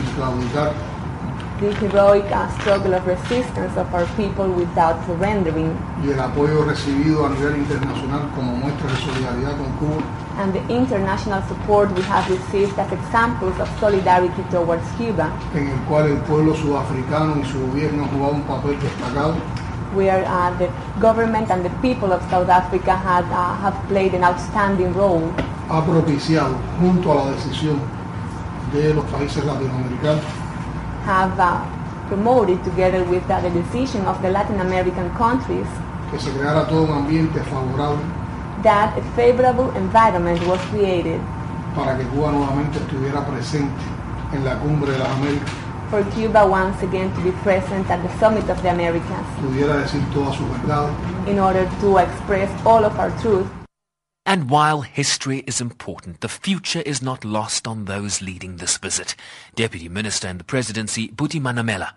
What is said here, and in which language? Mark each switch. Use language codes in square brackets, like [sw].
[en] The heroic struggle of resistance of our people without surrendering. And the international support we have received as examples of solidarity towards Cuba. [es] En el cual el pueblo sudafricano y su gobierno jugaba un papel destacado. [en] Where the government and the people of South Africa have played an outstanding role. [es] Ha propiciado, junto a la decisión de los países latinoamericanos. [en] Have promoted, together with the decision of the Latin American countries. [es] Que se creara todo un ambiente favorable. [en] That a favorable environment was created [es] para que Cuba nuevamente estuviera presente en la cumbre de las Américas. [en] For Cuba once again to be present at the summit of the Americas. [es] Pudiera decir toda su verdad. [en] In order to express all of our truth. And while history is important, the future is not lost on those leading this visit. Deputy Minister in the Presidency, Buti Manamela.